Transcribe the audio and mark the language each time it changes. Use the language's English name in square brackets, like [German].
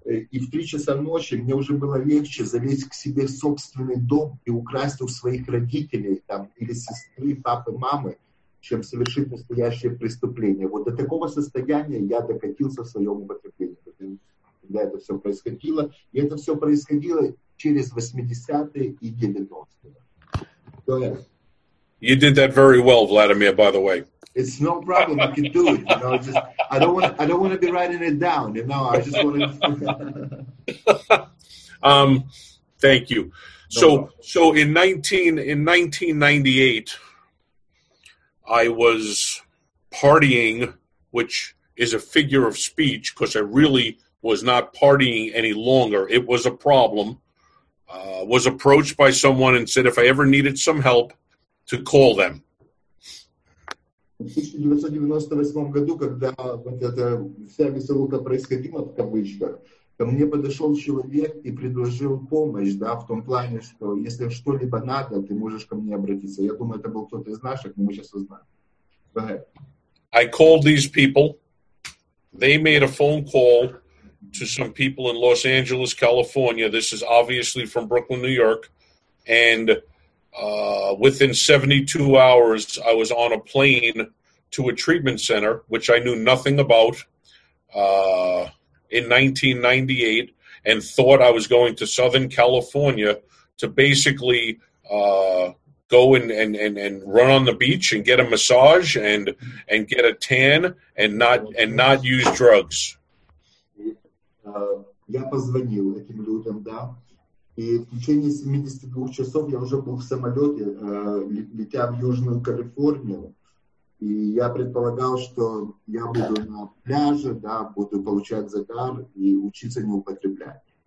[Russian] И в 3 часа ночи мне уже было легче залезть к себе в собственный дом и украсть у своих родителей там, или сестры, папы, мамы, чем совершить настоящее преступление. Вот до такого состояния я докатился в своем употреблении, когда это все происходило. И это все происходило через 80-е и 90-е. [English] You did that very well, Vladimir, by the way. It's no problem. I can do it. You know, I don't want to be writing it down. You know, I just want to. Thank you. No so problem. So in 1998, I was partying, which is a figure of speech, because I really was not partying any longer. It was a problem. Was approached by someone and said, if I ever needed some help, to call them. [Russian] В 1998 году, когда вот эта вся веселуха происходила в кавычках, ко мне подошел человек и предложил помощь, да, в том плане, что если что-либо надо, ты можешь ко мне обратиться. Я думаю, это был кто-то из наших, но мы сейчас узнаем. [English] I called these people. They made a phone call to some people in Los Angeles, California. This is obviously from Brooklyn, New York. And within 72 hours, I was on a plane to a treatment center, which I knew nothing about in 1998, and thought I was going to Southern California to basically go and run on the beach and get a massage and get a tan and not use drugs. [Russian] Я позвонил этим людям, да, и в течение 72 часов я уже был в самолете, летя в Южную Калифорнию, и я предполагал, что я буду на пляже, да, буду получать загар и учиться не употреблять.